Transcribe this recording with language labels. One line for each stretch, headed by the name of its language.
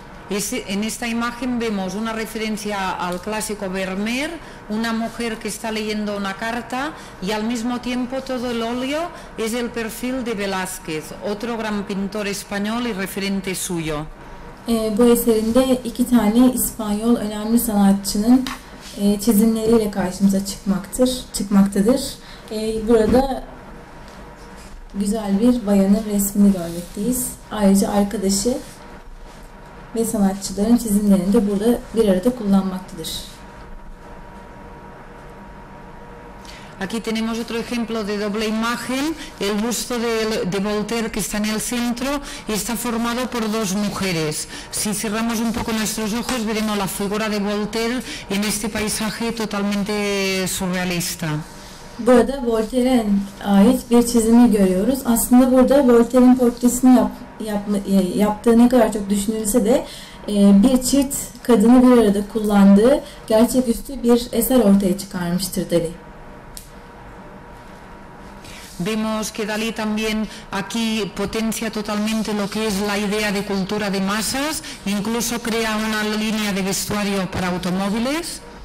Spanish: En esta imagen vemos una referencia al clásico Vermeer, una mujer que está leyendo una carta y al mismo tiempo todo el óleo es el perfil de Velázquez, otro gran pintor español y referente suyo.
Turkish: Bu eserinde iki tane İspanyol önemli sanatçının çizimleriyle karşımıza çıkmaktadır. Burada güzel bir bayanın resmini görmekteyiz. Ayrıca arkadaşı ve sanatçıların çizimlerini de burada bir arada kullanmaktadır.
Spanish: Aquí tenemos otro ejemplo de doble imagen, el busto de Voltaire que está en el centro y está formado por dos mujeres. Si cerramos un poco nuestros ojos veremos la figura de Voltaire en este paisaje totalmente surrealista.
Turkish: Burada Voltaire'e ait bir çizimi görüyoruz. Aslında burada Voltaire'in portresini yaptığı ne kadar çok düşünülse de bir çift kadını bir arada kullandığı gerçeküstü bir eser ortaya çıkarmıştır Dali.
Spanish: Vemos que Dalí también aquí potencia totalmente lo que es la idea de cultura de masas, incluso crea una línea de vestuario para automóviles.